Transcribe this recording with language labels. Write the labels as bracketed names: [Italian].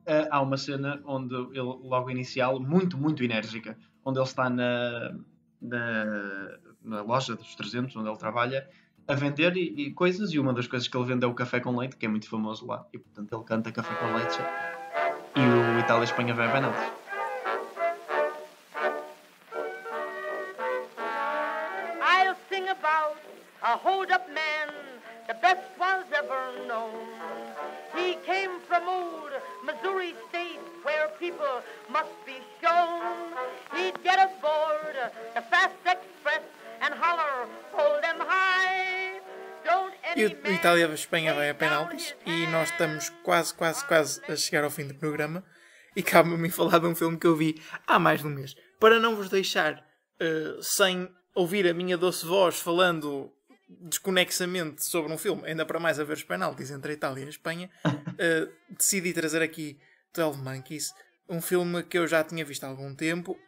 [Portuguese] Há uma cena onde ele, logo inicial, muito, muito enérgica, onde ele está na. na loja dos 300, onde ele trabalha, a vender e coisas. E uma das coisas que ele vende é o café com leite, que é muito famoso lá. E portanto ele canta café com leite. E o Itália e Espanha vai bem neles. [English] I'll sing about a hold-up man, the best one's ever known. He came from old Missouri State, where people must be shown. He'd get aboard the fast express and holler, hold them high. [Portuguese] E o Itália e a Espanha vai a penaltis e nós estamos quase, quase, quase a chegar ao fim do programa e cabe-me falar de um filme que eu vi há mais de um mês. Para não vos deixar sem ouvir a minha doce voz falando desconexamente sobre um filme, ainda para mais a ver os penaltis entre a Itália e a Espanha, decidi trazer aqui 12 Monkeys, um filme que eu já tinha visto há algum tempo.